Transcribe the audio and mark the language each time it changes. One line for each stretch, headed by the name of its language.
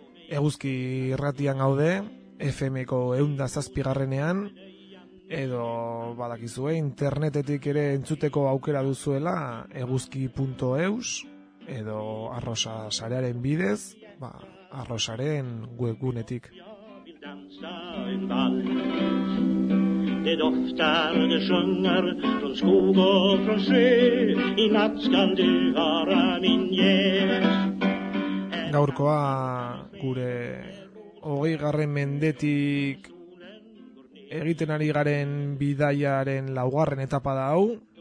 Basque: Eguzki irratian gaude FM-ko 107ean edo badakizue internetetik ere entzuteko aukera duzuela eguzki.eus edo arrosa sarearen bidez, ba arrosaren webgunetik.
Swedish: Det doftar, det sjunger från skog och från sjö. I natt skall du vara min gäst.
Basque: Gaurkoa gure 20. mendetik egiten ari garen bidaiaren laugarren etapa da hau.